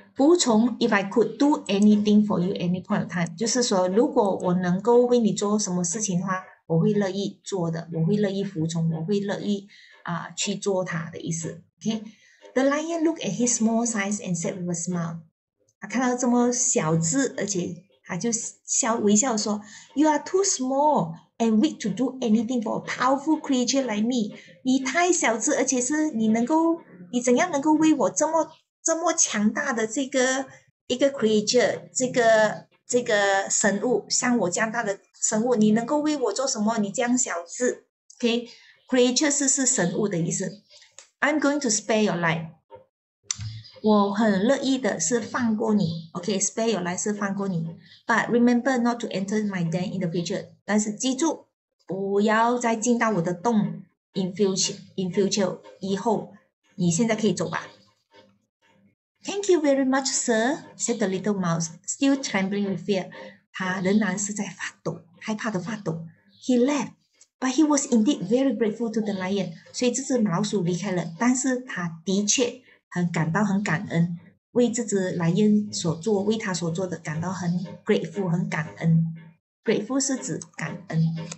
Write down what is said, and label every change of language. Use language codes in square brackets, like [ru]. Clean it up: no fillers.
[zh] 服从, [en] if I could do anything for you any point of time, [zh] 就是说如果我能够为你做什么事情的话, 我会乐意做的, 我会乐意服从, 我会乐意, 去做它的意思, okay? [en] The lion looked at his small size and said with a smile. [zh] 他看到这么小字,而且他就微笑说, [en] You are too small and weak to do anything for a powerful creature like me. [zh] 你太小字,而且是你能够, 你怎样能够为我这么 这么强大的这个一个 creature 这个生物 像我这样大的生物 你能够为我做什么你这样小字 okay? Creature 是生物的意思 [en] I'm going to spare your life [zh] 我很乐意的是放过你 okay? [en] Spare your life [zh] 是放过你 [en] But remember not to enter my den in the future [zh] 但是记住 不要再进到我的洞 [en] in future [zh] 以后 你现在可以走吧 [en] Thank you very much, sir, said the little mouse, still trembling with fear. [zh] 他仍然是在发抖, 害怕地发抖. [en] He left, but he was indeed very grateful to the lion. [zh] 所以这只老鼠离开了, 但是他的确很感到很感恩, 为这只lion所做, 为他所做的, 感到很 grateful, 很感恩. Grateful是指感恩.